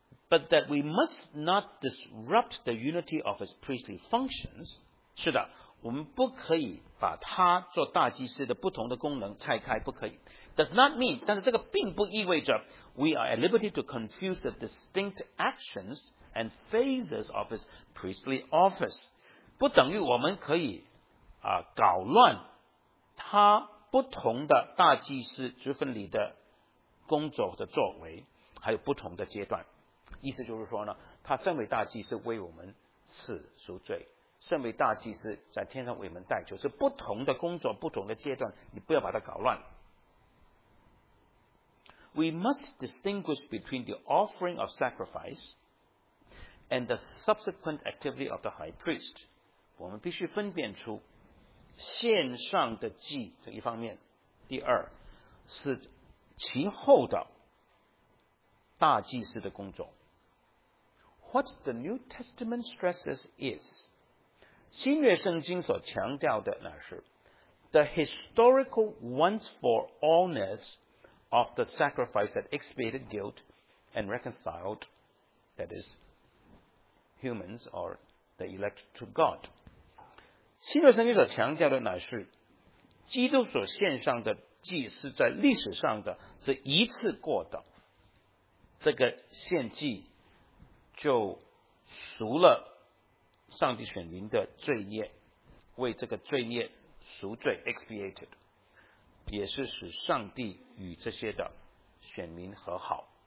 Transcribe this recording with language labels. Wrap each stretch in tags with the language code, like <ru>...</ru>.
<en>But that we must not disrupt the unity of his priestly functions.</en> <zh>是的，我们不可以把他做大祭司的不同的功能拆开，不可以。</zh> <en>Does not mean,</en> <zh>但是这个并不意味着</zh> <en>we are at liberty to confuse the distinct actions and phases of his priestly office.</en> <zh>不等于我们可以搞乱他不同的大祭司职分里的工作的作为，还有不同的阶段。意思就是说呢，他身为大祭司为我们死赎罪，身为大祭司在天上为我们代求，是不同的工作，不同的阶段，你不要把它搞乱。</zh> <en>We must distinguish between the offering of sacrifice and the subsequent activity of the high priest.</en> <zh>我们必须分辨出献上的祭这一方面，第二是其后的大祭司的工作。</zh> <en>What the New Testament stresses is,</en> <zh>新约圣经所强调的那是</zh> <en>the historical once for allness of the sacrifice that expiated guilt and reconciled, that is, humans or the elect to God.</en> <zh>新约圣经所强调的那是基督所献上的祭是在历史上的是一次过的，这个献祭就赎了上帝选民的罪孽，为这个罪孽赎罪 expiated， 也是使上帝与这些的选民和好。</zh>